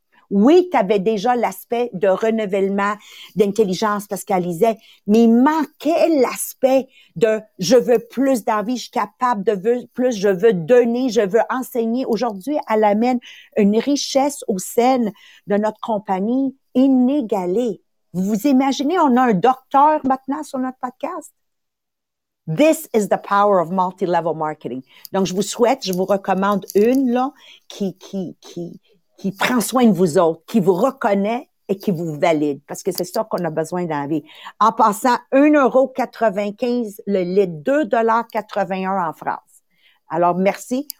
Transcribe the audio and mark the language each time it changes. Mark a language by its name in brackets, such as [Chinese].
[French] Oui, tu avais déjà l'aspect de renouvellement, d'intelligence, parce qu'elle disait, mais il manquait l'aspect de « je veux plus d'envie, je suis capable de plus, je veux donner, je veux enseigner ». Aujourd'hui, elle amène une richesse au sein de notre compagnie inégalée. Vous vous imaginez, on a un docteur maintenant sur notre podcast? [English] This is the power of multi-level marketing. [French] Donc, je vous souhaite, je vous recommande une là qui prend soin de vous autres, qui vous reconnaît et qui vous valide, parce que c'est ça qu'on a besoin dans la vie. En passant, 1,95 € le litre, 2,81 $ en France. Alors, merci.